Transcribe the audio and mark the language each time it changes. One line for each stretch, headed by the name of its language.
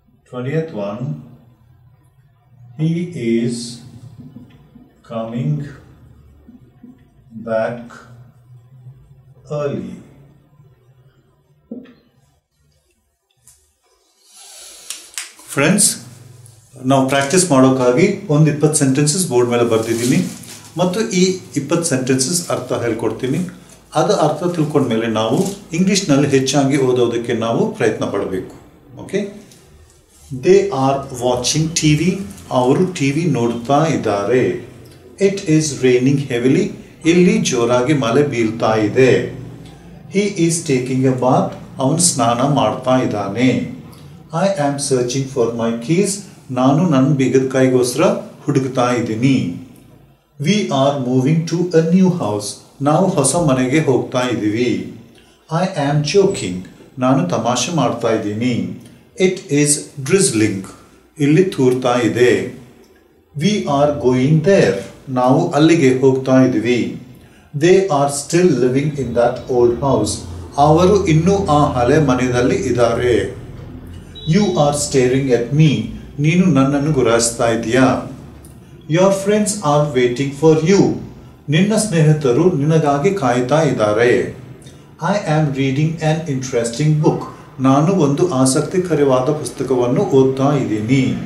English: Twentieth one, he is coming back early.
Kannada: Friends, now practice madokagi ond 20 sentences board mele bardidini ಮತ್ತು ಈ 20 sentences ಅರ್ಥ ಹೇಳ್ಕೊಡ್ತೀನಿ. ಅದು ಅರ್ಥ ತಿಳ್ಕೊಂಡ ಮೇಲೆ ನಾವು ಇಂಗ್ಲೀಷ್ನಲ್ಲಿ ಹೆಚ್ಚಾಗಿ ಓದೋದಕ್ಕೆ ನಾವು ಪ್ರಯತ್ನ ಪಡಬೇಕು.
English: okay, they are watching TV,
Kannada: ಅವರು ಟಿವಿ ನೋಡ್ತಾ ಇದ್ದಾರೆ.
English: it is raining heavily,
Kannada: ಇಲ್ಲಿ ಜೋರಾಗಿ ಮಳೆ ಬೀಳ್ತಾ ಇದೆ.
English: he is taking a bath,
Kannada: ಅವನು ಸ್ನಾನ ಮಾಡ್ತಾ ಇದ್ದಾನೆ.
English: I am searching for my keys,
Kannada: ನಾನು ನನ್ನ ಬಿಗದ ಕೈಗೋಸ್ಕರ ಹುಡುಕ್ತಾ ಇದ್ದೀನಿ.
English: We are moving to a new house.
Kannada: ನಾವು ಹೊಸ ಮನೆಗೆ ಹೋಗ್ತಾ ಇದ್ದೀವಿ.
English: I am joking,
Kannada: ನಾನು ತಮಾಷೆ ಮಾಡ್ತಾ ಇದ್ದೀನಿ.
English: it is drizzling,
Kannada: ಇಲ್ಲಿ ತೂರ್ತಾ ಇದೆ.
English: we are going there,
Kannada: ನಾವು ಅಲ್ಲಿಗೆ ಹೋಗ್ತಾ ಇದ್ದೀವಿ.
English: they are still living in that old house,
Kannada: ಅವರು ಇನ್ನೂ ಆ ಹಳೆ ಮನೆಯಲ್ಲಿ ಇದ್ದಾರೆ.
English: you are staring at me,
Kannada: ನೀನು ನನ್ನನ್ನು ಗುರಾಯಿಸ್ತಾ ಇದೀಯಾ.
English: Your friends are waiting for you.
Kannada: ನಿನ್ನ ಸ್ನೇಹಿತರು ನಿನಗಾಗಿ ಕಾಯ್ತಾ ಇದ್ದಾರೆ.
English: I am reading an interesting book.
Kannada: ನಾನು ಒಂದು ಆಸಕ್ತಿಕರವಾದ ಪುಸ್ತಕವನ್ನು ಓದ್ತಾ ಇದ್ದೀನಿ.